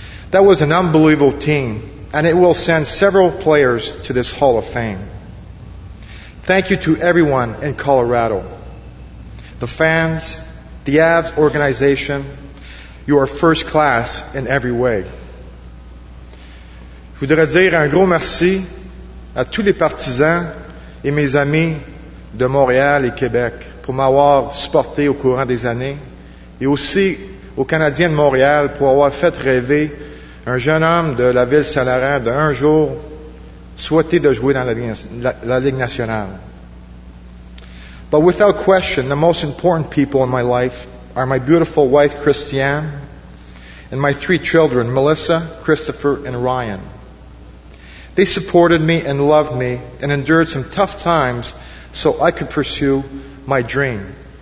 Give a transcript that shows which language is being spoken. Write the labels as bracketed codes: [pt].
[en] That was an unbelievable team, and it will send several players to this Hall of Fame. Thank you to everyone in Colorado, the fans, the Avs organization. You are first class in every way. [fr] Je voudrais dire un gros merci à tous les partisans et mes amis de Montréal et Québec pour m'avoir supporté au courant des années, et aussi aux Canadiens de Montréal pour avoir fait rêver un jeune homme de la ville salariale de un jour souhaitait de jouer dans la Ligue nationale. [en] But without question, the most important people in my life are my beautiful wife, Christiane, and my three children, Melissa, Christopher, and Ryan. They supported me and loved me and endured some tough times so I could pursue my dream.